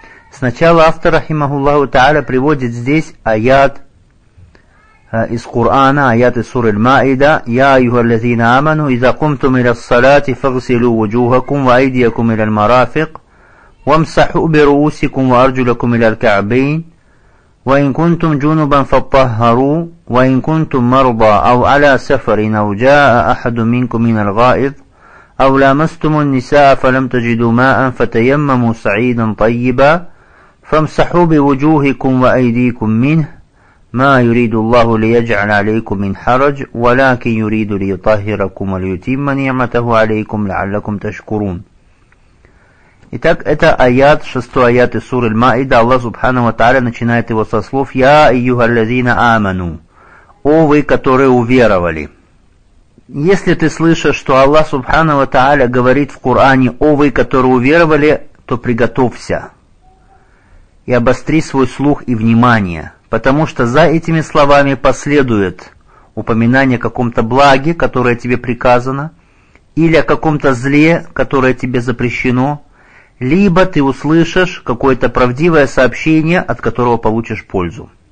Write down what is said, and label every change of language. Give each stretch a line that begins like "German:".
Russian: Сначала автор, рахимахуллаху тааля, приводит здесь аят из Кур'ана, аят из суры Аль-Маида:
Arabic: «Я айюха аллазина аману, иза кумтум иля ссалати фагсилу вуджухакум ва айдиякум иля аль-марафик, вамсаху би руусикум ва арджулакум иля аль-каабейн». وإن كنتم جنبا فطهروا وإن كنتم مرضى أو على سفر أو جاء أحد منكم من الغائط أو لامستم النساء فلم تجدوا ماء فتيمموا صعيدا طيبا فامسحوا بوجوهكم وأيديكم منه ما يريد الله ليجعل عليكم من حرج ولكن يريد ليطهركم وليتم نعمته عليكم لعلكم تشكرون.
Russian: Итак, это аят, шестой аят из суры Аль-Маида. Аллах Субхана ва Тааля начинает его со слов:
Arabic: «Я айюха аллазина аману».
Russian: «О вы, которые уверовали». Если ты слышишь, что Аллах Субхана ва Тааля говорит в Коране: «О вы, которые уверовали», то приготовься и обостри свой слух и внимание, потому что за этими словами последует упоминание о каком-то благе, которое тебе приказано, или о каком-то зле, которое тебе запрещено, либо ты услышишь какое-то правдивое сообщение, от которого получишь пользу.